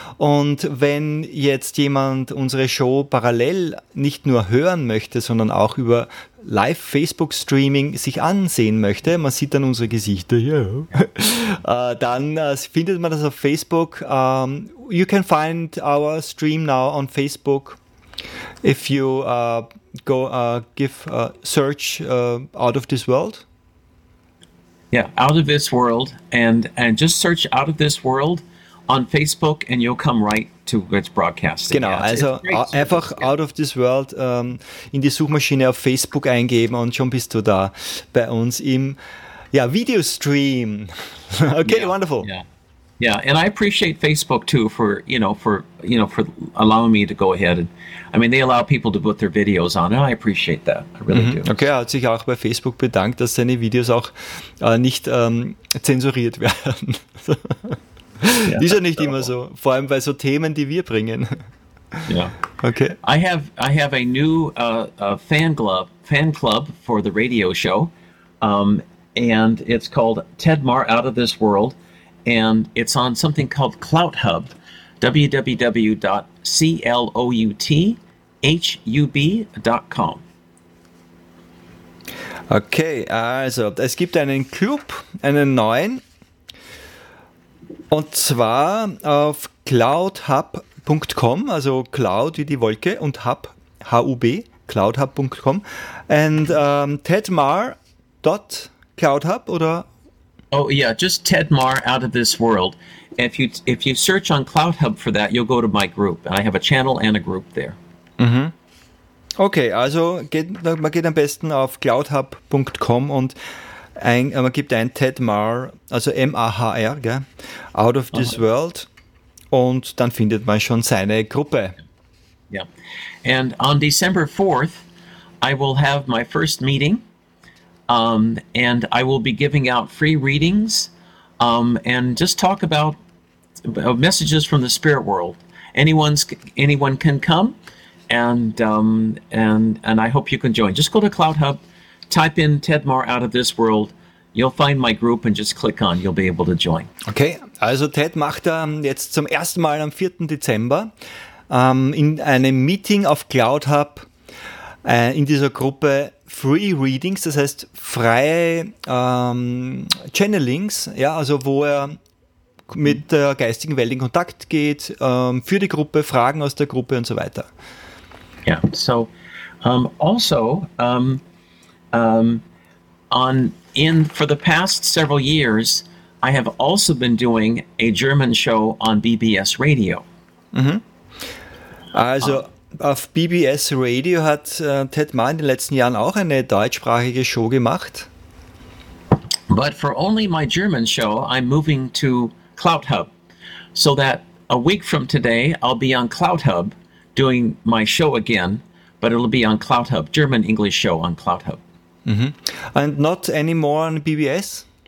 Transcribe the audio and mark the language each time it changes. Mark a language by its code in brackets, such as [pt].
[de] Und wenn jetzt jemand unsere Show parallel nicht nur hören möchte, sondern auch über Live-Facebook-Streaming sich ansehen möchte, man sieht dann unsere Gesichter hier, dann findet man das auf Facebook. [en] You can find our stream now on Facebook if you go give a search out of this world. Yeah, out of this world, and just search out of this world on Facebook and you'll come right to its broadcasting. [de] Genau, yeah, also einfach out of this world in die Suchmaschine auf Facebook eingeben und schon bist du da bei uns im Videostream. Okay, yeah, [en] wonderful. Yeah, and I appreciate Facebook too for allowing me to go ahead. And I mean, they allow people to put their videos on, and I appreciate that. I really do. [de] Okay, er hat sich auch bei Facebook bedankt, dass seine Videos auch nicht zensuriert werden. Yeah, ist ja nicht immer so, vor allem bei so Themen, die wir bringen. Yeah. Okay. [en] I have a new fan club for the radio show, and it's called Ted Marr Out of This World, and it's on something called Clout Hub, www.clouthub.com. [de] Okay, also es gibt einen Club, einen neuen. Und zwar auf cloudhub.com, also cloud wie die Wolke und hub, H-U-B, cloudhub.com. [en] And tedmar.cloudhub oder? Oh yeah, just Ted Marr Out of This World. If you search on CloudHub for that, you'll go to my group. I have a channel and a group there. Mm-hmm. [de] Okay, also man geht am besten auf cloudhub.com und man gibt ein Ted Marr, also M-A-H-R, gell? Out of this world, und dann findet man schon seine Gruppe. [en] Yeah, and on December 4th, I will have my first meeting, and I will be giving out free readings, and just talk about messages from the spirit world. Anyone can come, and I hope you can join. Just go to CloudHub, type in Ted Marr Out of This World, You'll find my group and just click on, you'll be able to join. [de] Okay, also Ted macht jetzt zum ersten Mal am 4. Dezember in einem Meeting auf Cloud Hub in dieser Gruppe Free Readings, das heißt freie Channelings, ja, also wo er mit der geistigen Welt in Kontakt geht, für die Gruppe, Fragen aus der Gruppe und so weiter. [en] Ja, yeah, so, also, on in for the past several years, I have also been doing a German show on BBS Radio. Mm-hmm. [de] Also, auf BBS Radio hat Ted Ma in den letzten Jahren auch eine deutschsprachige Show gemacht. [en] But for only my German show, I'm moving to Cloud Hub, so that a week from today I'll be on Cloud Hub doing my show again, but it'll be on Cloud Hub, German English show on Cloud Hub. Mm-hmm. And not anymore on BBS?